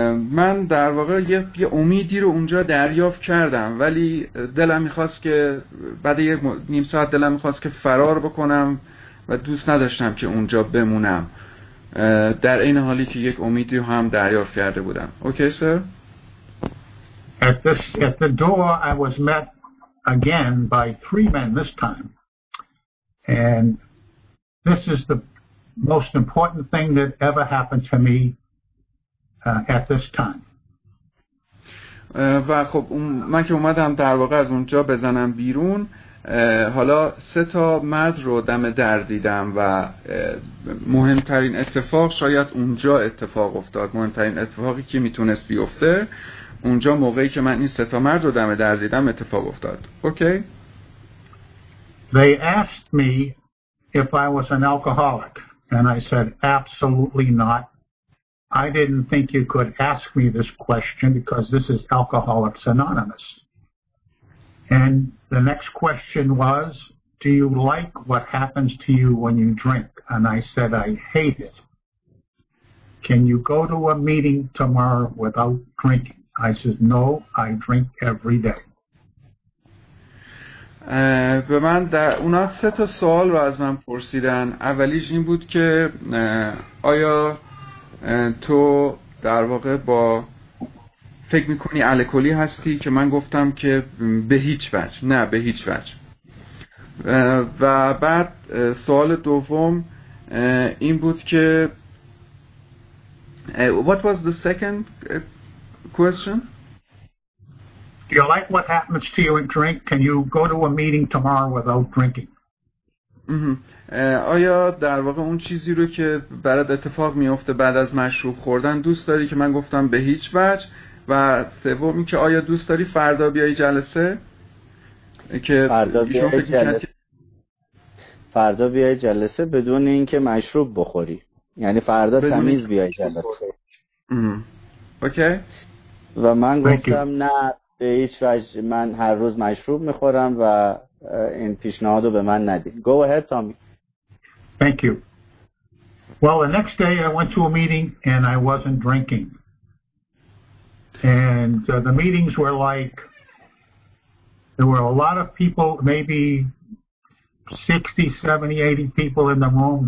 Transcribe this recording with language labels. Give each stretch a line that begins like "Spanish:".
Persian: من در واقع یه امیدی رو اونجا دریافت کردم ولی دلم میخواست که بعد یه نیم ساعت دلم میخواست که فرار بکنم و دوست نداشتم که اونجا بمونم در این حالی که یک امیدی رو هم دریافت کرده بودم. اوکی سر؟
English: At the door I was met again by three men this time and this is the most important thing that ever happened to me at this time.
Persian: و خب من که اومدم در واقع از اونجا بزنم بیرون حالا سه تا مرد رو دم در دیدم و مهمترین اتفاق شاید اونجا اتفاق افتاد، مهمترین اتفاقی که میتونست بیفته اونجا موقعی که من این سه تا مرد رو دم در دیدم اتفاق افتاد. اوکی؟
English: They asked me if I was an alcoholic. And I said, absolutely not. I didn't think you could ask me this question because this is Alcoholics Anonymous. And the next question was, do you like what happens to you when you drink? And I said, I hate it. Can you go to a meeting tomorrow without drinking? I said, no, I drink every day.
Persian: به من در اونا سه تا سوال رو از من پرسیدن. اولیش این بود که آیا تو در واقع با فکر میکنی الکلی هستی، که من گفتم که به هیچ وجه، نه به هیچ وجه. و بعد سوال دوم این بود که
English: what was the second question?
Persian: Do you like what happens to you in drink? Can you go to a meeting tomorrow without drinking? آیا در واقع اون چیزی رو که برات اتفاق میفته بعد از مشروب خوردن دوست داری؟ که من گفتم به هیچ وجه. و سومی که آیا دوست داری فردا بیای جلسه؟ که فردا بیای جلسه. فردا بیای جلسه بدون اینکه مشروب بخوری. یعنی فردا تمیز بیای جلسه. اوکی. و من گفتم نه، به هیچ وجه، من هر روز مشروب میخورم و این پیشنهاد رو به من ندید.
English: Go ahead, Tommy. Thank you. Well, the next day I went to a meeting and I wasn't drinking. And the meetings were like, there were a lot of people, maybe 60, 70, 80 people in the room.